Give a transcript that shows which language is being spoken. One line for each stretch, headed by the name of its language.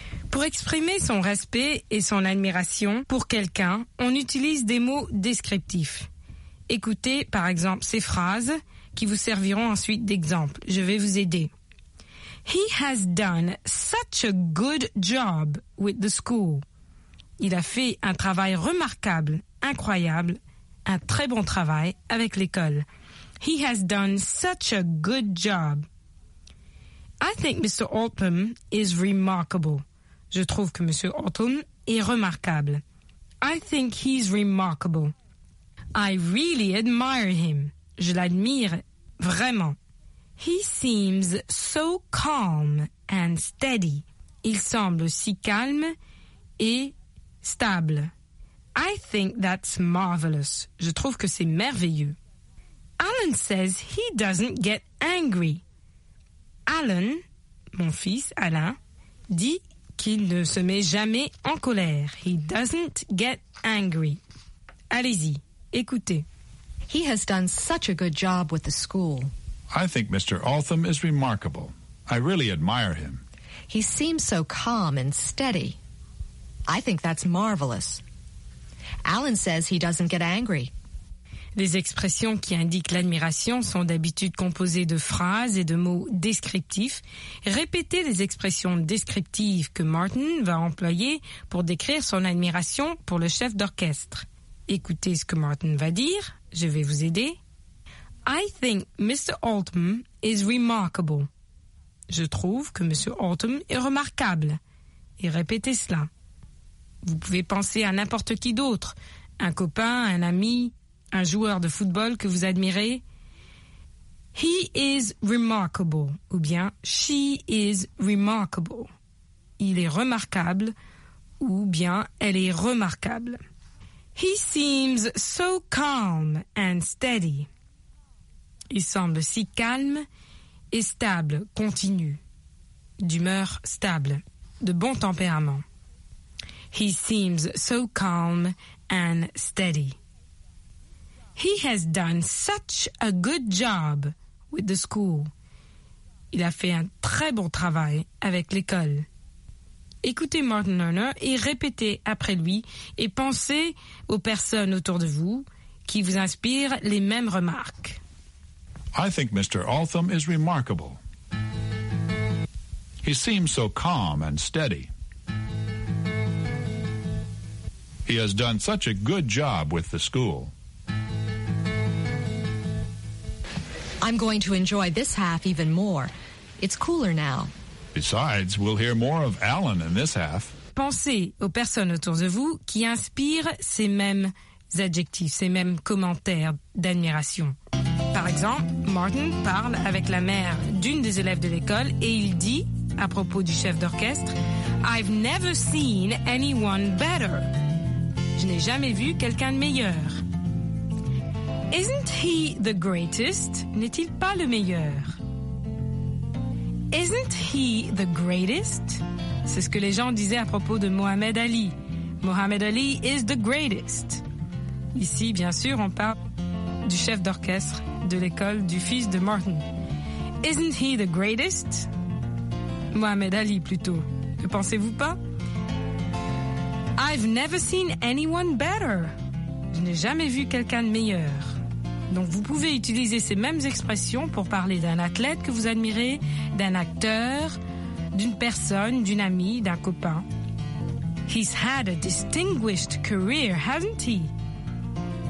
French: Pour exprimer son respect et son admiration pour quelqu'un, on utilise des mots descriptifs. Écoutez, par exemple, ces phrases qui vous serviront ensuite d'exemple. Je vais vous aider.
English: He has done such a good job with the school.
French: Il a fait un travail remarquable, incroyable, un très bon travail avec l'école.
English: He has done such a good job. I think Mr. Altham is remarkable.
French: Je trouve que Monsieur Altham est remarquable.
English: I think he's remarkable. I really admire him.
French: Je l'admire vraiment.
English: He seems so calm and steady.
French: Il semble si calme et stable.
English: I think that's marvelous.
French: Je trouve que c'est merveilleux.
English: Alan says he doesn't get angry.
French: Alan, mon fils Alan, dit qu'il ne se met jamais en colère.
English: He doesn't get angry.
French: Allez-y, écoutez.
English: He has done such a good job with the school. I think Mr. Altham is remarkable. I really admire him. He seems so calm and steady. I think that's marvelous. Alan says he doesn't get angry.
French: Les expressions qui indiquent l'admiration sont d'habitude composées de phrases et de mots descriptifs. Répétez les expressions descriptives que Martin va employer pour décrire son admiration pour le chef d'orchestre. Écoutez ce que Martin va dire. Je vais vous aider.
English: I think Mr. Altham is remarkable.
French: Je trouve que Monsieur Altham est remarquable. Et répétez cela. Vous pouvez penser à n'importe qui d'autre, un copain, un ami, un joueur de football que vous admirez.
English: He is remarkable,
French: ou bien
English: she is remarkable.
French: Il est remarquable, ou bien elle est remarquable.
English: He seems so calm and steady.
French: Il semble si calme et stable, continu, d'humeur stable, de bon tempérament.
English: He seems so calm and steady. He has done such a good job with the school.
French: Il a fait un très bon travail avec l'école. Écoutez Martin Lerner et répétez après lui et pensez aux personnes autour de vous qui vous inspirent les mêmes remarques.
English: I think Mr. Altham is remarkable. He seems so calm and steady. He has done such a good job with the school. I'm going to enjoy this half even more. It's cooler now. Besides, we'll hear more of Alan in this half.
French: Pensez aux personnes autour de vous qui inspirent ces mêmes adjectifs, ces mêmes commentaires d'admiration. Par exemple, Martin parle avec la mère d'une des élèves de l'école et il dit, à propos du chef d'orchestre,
English: « I've never seen anyone better. »
French: Je n'ai jamais vu quelqu'un de meilleur.
English: « Isn't he the greatest ?»
French: N'est-il pas le meilleur ?«
English: Isn't he the greatest ?»
French: C'est ce que les gens disaient à propos de Mohamed Ali. «
English: Mohamed Ali is the greatest.
French: » Ici, bien sûr, on parle du chef d'orchestre de l'école du fils de Martin.
English: « Isn't he the greatest ?»
French: Mohamed Ali, plutôt. Ne pensez-vous pas ?
English: « I've never seen anyone better. »
French: Je n'ai jamais vu quelqu'un de meilleur. Donc, vous pouvez utiliser ces mêmes expressions pour parler d'un athlète que vous admirez, d'un acteur, d'une personne, d'une amie, d'un copain.
English: « He's had a distinguished career, hasn't he ?»